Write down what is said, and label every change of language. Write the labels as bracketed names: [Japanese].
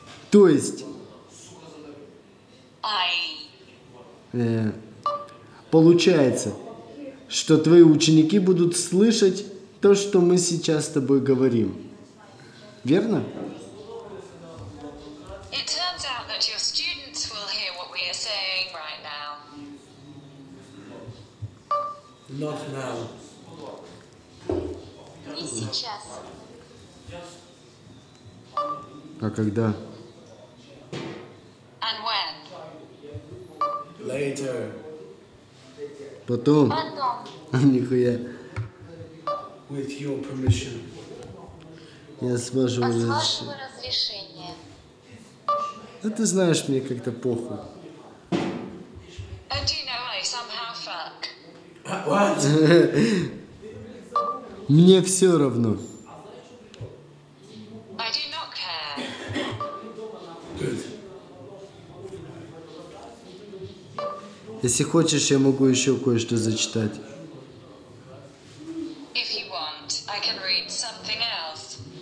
[Russian] То есть... получается, что твои ученики будут слышать то, что мы сейчас с тобой говорим. Верно? [English] It turns out that your students will hear what we are saying right now. Not now. [Russian] Не сейчас. А когда? [English] And when? Later. [Russian] Потом. Потом. Нихуя. [English] With your permission. [Russian] Я с вашего разрешения. А ты знаешь, мне как-то похуй. [English] And you know I somehow fuck. What? [Russian] Мне все равно. [English] I do not care. Good. [Russian] Если хочешь, я могу еще кое-что зачитать. [English] If you want, I can read something else.